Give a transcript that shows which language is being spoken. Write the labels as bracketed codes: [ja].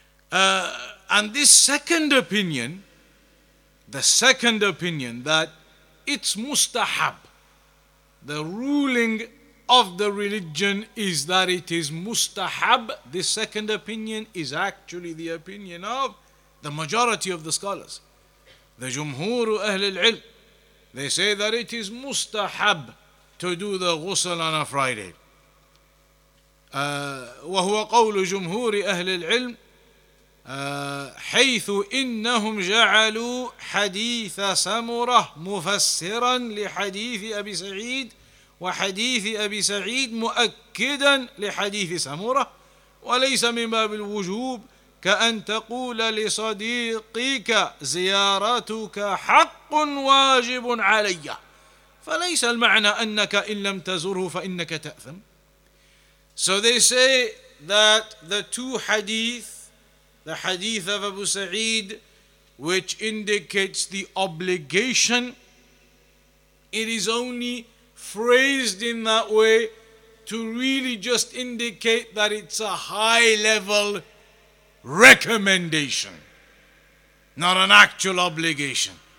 [en] And this second opinion, the second opinion that it's mustahab, the ruling of the religion is that it is mustahab. This second opinion is actually the opinion of the majority of the scholars, the Jumhur Ahl al-Ilm. They say that it is mustahab to do the ghusl on a Friday. [ar] وهو قول جمهور أهل العلم حيث إنهم جعلوا حديث سمرة مفسرا لحديث أبي سعيد وحديث أبي سعيد مؤكدا لحديث سمرة وليس من باب الوجوب كأن تقول لصديقك زيارتك حق واجب علي فليس المعنى أنك إن لم تزره فإنك تأثم. [en] So they say that the two hadith, the hadith of Abu Sa'id, which indicates the obligation, it is only phrased in that way to really just indicate that it's a high level recommendation, not an actual obligation.